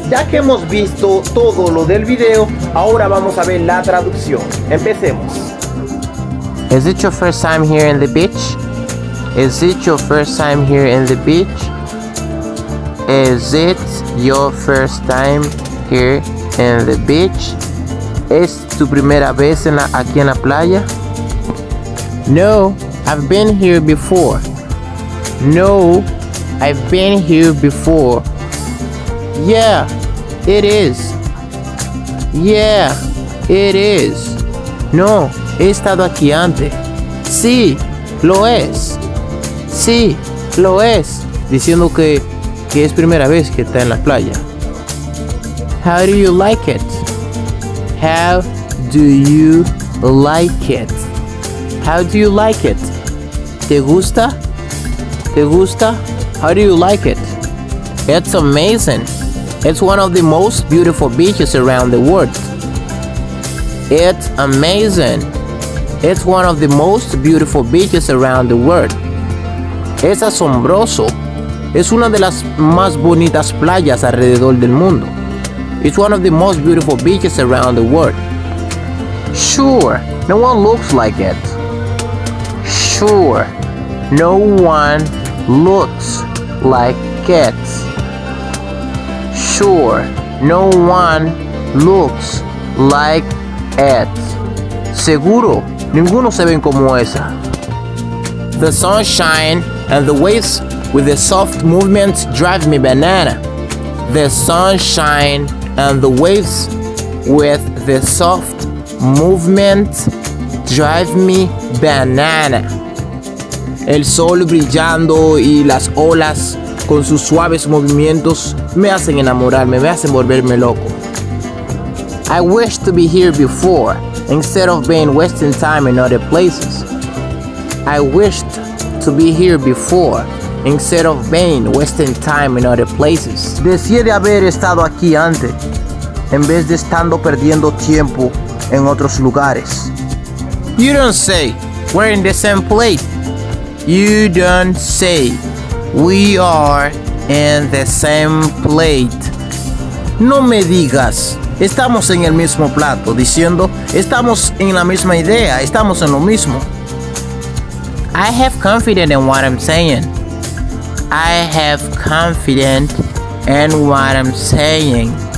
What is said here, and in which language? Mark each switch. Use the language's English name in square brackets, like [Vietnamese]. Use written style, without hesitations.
[Spanish] Ya que hemos visto todo lo del video, ahora vamos a ver la traducción. Empecemos. [English] Is it your first time here in the beach? Is it your first time here in the beach? Is it your first time here in the beach? [Spanish] ¿Es tu primera vez aquí en la playa? [English] No, I've been here before. No, I've been here before. Yeah, it is. Yeah, it is. [Spanish] No, he estado aquí antes. Sí, lo es. Sí, lo es. Diciendo que es primera vez que está en la playa. [English] How do you like it? How do you like it? How do you like it? [Spanish] ¿Te gusta? ¿Te gusta? [English] How do you like it? It's amazing. It's one of the most beautiful beaches around the world. It's amazing. It's one of the most beautiful beaches around the world. [Spanish] Es asombroso. Es una de las más bonitas playas alrededor del mundo. [English] It's one of the most beautiful beaches around the world. Sure, no one looks like it. Sure, no one looks like it. Sure, no one looks like it. [Spanish] Seguro, Ninguno se ven como esa. [English] The sunshine and the waves with the soft movements drive me banana. The sunshine and the waves with the soft movement drive me banana. [Spanish] El sol brillando y las olas con sus suaves movimientos me hacen enamorarme, me hacen volverme loco. [English] I wish to be here before instead of being wasting time in other places. I wished to be here before instead of being wasting time in other places. [Spanish] Deseé de haber estado aquí antes en vez de estando perdiendo tiempo en otros lugares. [English] You don't say, we're in the same place. You don't say, we are in the same plate. [Spanish] No me digas, estamos en el mismo plato, diciendo, estamos en la misma idea, estamos en lo mismo. [English] I have confidence in what I'm saying. I have confidence in what I'm saying.